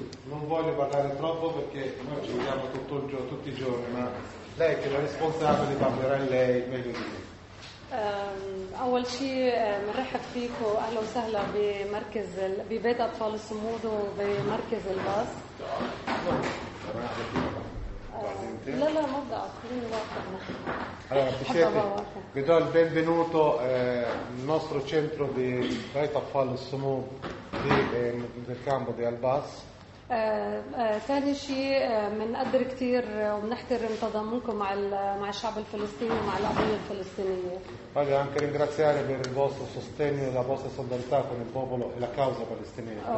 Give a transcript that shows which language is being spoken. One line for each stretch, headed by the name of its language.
Italian: Non voglio parlare troppo perché noi ci vediamo tutti i giorni, ma lei che è la responsabile parlerà in lei meglio di me.
Arabic: أول شيء مرحب فيكم وأهلا وسهلا بمركز ببيت أطفال الصمود وبمركز الباص. لا ما بدأ خليني واقفنا.
Italian: Allora, vi do il benvenuto al nostro centro di بيت أطفال الصمود del campo di Albas.
Arabic: ثاني شيء بنقدر كثير وبنحترم تضامنكم مع الشعب الفلسطيني ومع القضيه الفلسطينيه.
Italian: Voglio anche ringraziare per il vostro sostegno e la vostra solidarietà con il popolo e la causa palestinese.